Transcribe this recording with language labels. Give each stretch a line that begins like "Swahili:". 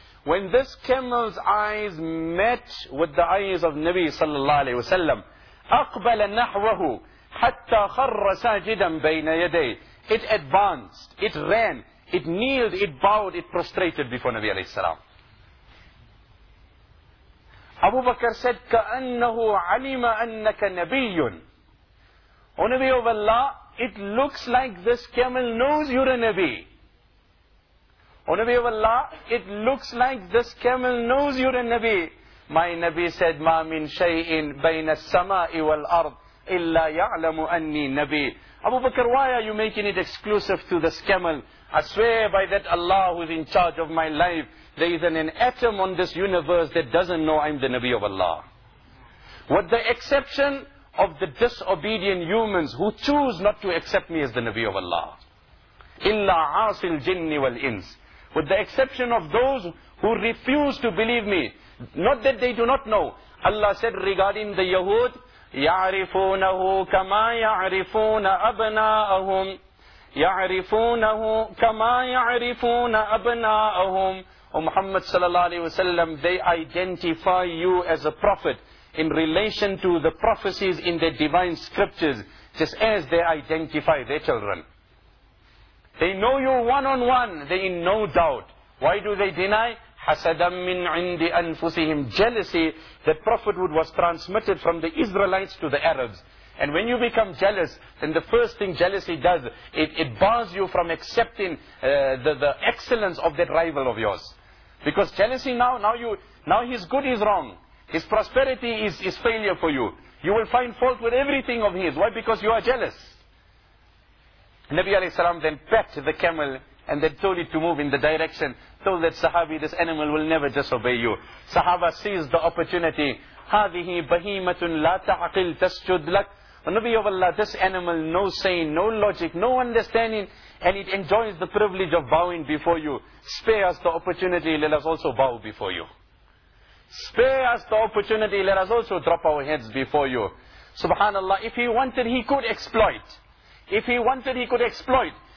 English: When this camel's eyes met with the eyes of Nabi sallallahu alayhi wasallam,
Arabic: أَقْبَلَ نَحْوَهُ حَتَّى خَرَّ سَاجِدًا بَيْنَ يَدَيْهِ.
English: It advanced, it ran, it kneeled, it bowed, it prostrated before Nabi alayhi salam. Abu Bakr said,
Arabic: كَأَنَّهُ عَلِمَ أَنَّكَ نَبِيٌّ.
English: O Nabi of Allah, it looks like this camel knows you're a Nabi. O Nabi of Allah, it looks like this camel knows you're a Nabi. My Nabi said,
Arabic: مَا مِن شَيْءٍ بَيْنَ السَّمَاءِ وَالْأَرْضِ إِلَّا يَعْلَمُ أَنِّي نَبِي.
English: Abu Bakr, why are you making it exclusive to this camel? I swear by that Allah who is in charge of my life, there isn't an atom on this universe that doesn't know I'm the Nabi of Allah. With the exception of the disobedient humans who choose not to accept me as the Nabi of Allah.
Arabic: Illa asil jinni wal ins.
English: With the exception of those who refuse to believe me. Not that they do not know. Allah said regarding the Yahud,
Arabic: يَعْرِفُونَهُ كَمَا يَعْرِفُونَ أَبْنَاءَهُمْ يَعْرِفُونَهُ كَمَا يَعْرِفُونَ أَبْنَاءَهُمْ.
English: O Muhammad sallallahu alayhi wa sallam, they identify you as a prophet in relation to the prophecies in the divine scriptures, just as they identify their children. They know you one on one, they in no doubt. Why do they deny?
Arabic: حَسَدًا مِّنْ عِنْدِ أَنفُسِهِمْ.
English: Jealousy, that prophethood was transmitted from the Israelites to the Arabs. And when you become jealous, then the first thing jealousy does, it bars you from accepting the excellence of that rival of yours. Because jealousy now his good is wrong. His prosperity is failure for you. You will find fault with everything of his. Why? Because you are jealous. Nabi alayhi salam then pet the camel and then told it to move in the direction. Told that sahabi, this animal will never disobey you. Sahaba seized the opportunity.
Arabic: هذه بهيمة لا تعقل تسجد لك.
English: Nabi of Allah, this animal, no saying, no logic, no understanding, and it enjoys the privilege of bowing before you. Spare us the opportunity, let us also bow before you. Spare us the opportunity, let us also drop our heads before you. Subhanallah, if he wanted, he could exploit. If he wanted, he could exploit.